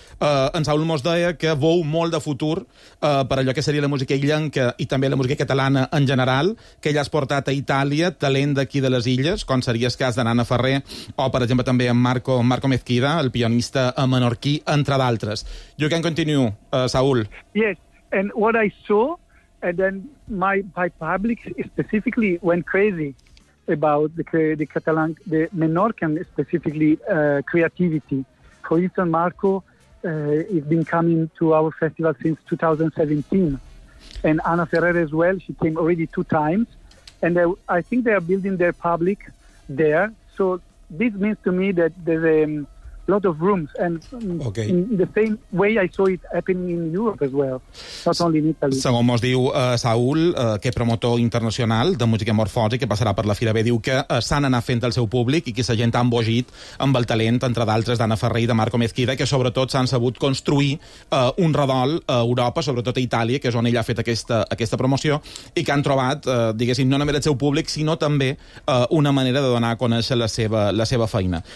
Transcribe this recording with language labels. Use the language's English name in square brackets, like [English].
[Catalan] En Saul mos deia que veu molt de futur per allò que seria la música illenca i també la música catalana en general, que ell has portat a Itàlia talent d'aquí de les illes, com series cas d'en Anna Ferrer, o per exemple també en Marco Mezquida, el pianista menorquí, entre d'altres. [English] You can continue, Saul. Yes, and what I saw, and then my public specifically went crazy about the Catalan, the Menorcan specifically creativity. For instance, Marco has been coming to our festival since 2017, and Ana Ferrer as well. She came already two times, and I think they are building their public there. So this means to me that there's a lot of rooms, and okay. In the same way I saw it happening in Europe as well, not only in Italy. [Catalan] Segons mos diu Saúl, que promotor internacional de música morfòsica que passarà per la Fira B, diu que s'han anat fent el seu públic i que la gent ha embogit amb el talent, entre d'altres, d'Anna Ferrer i de Marco Mezquida, que sobretot s'han sabut construir un redol a Europa, sobretot a Itàlia, que és on ella ha fet aquesta promoció, i que han trobat, diguéssim, no només el seu públic, sinó també una manera de donar a conèixer la seva feina.